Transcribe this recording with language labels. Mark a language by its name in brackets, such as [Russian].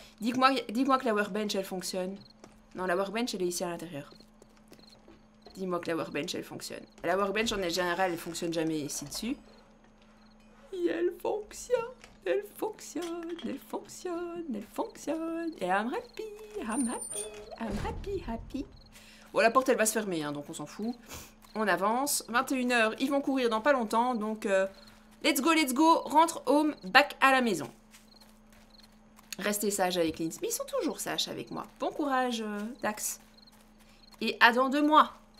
[French] Dis-moi que la workbench elle fonctionne. Non, la workbench elle est ici à l'intérieur. Dis-moi que la workbench elle fonctionne. La workbench en général elle fonctionne jamais ici dessus. Et elle fonctionne, elle fonctionne, elle fonctionne, elle fonctionne. [English] Et I'm happy, I'm happy, I'm happy, happy. [French] Bon, la porte elle va se fermer hein, donc on s'en fout. On avance. 21h, ils vont courir dans pas longtemps donc. [English] Let's go, [French] rentre home, back à la maison. Restez sage avec Lynn Smith, ils sont toujours sages avec moi. Bon courage, Dax. Et à dans 2 mois.